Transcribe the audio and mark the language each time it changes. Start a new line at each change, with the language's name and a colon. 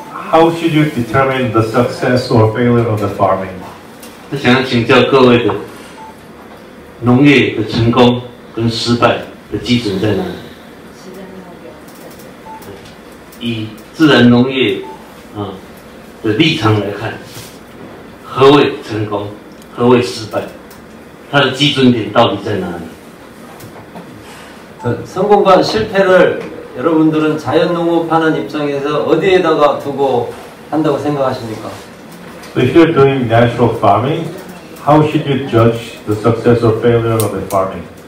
English: How should you determine the success or failure of the farming?
Chinese: 想请教各位的 农业的成功跟失败的基准在哪里? 以自然农业的立场来看，何谓成功，何谓失败，它的基准点到底在哪里？
Korean: 성공과 실패를 여러분들은 자연농업하는 입장에서 어디에다가 두고 한다고 생각하십니까?
English: So if you're doing natural farming, how should you judge the success or failure of the farming?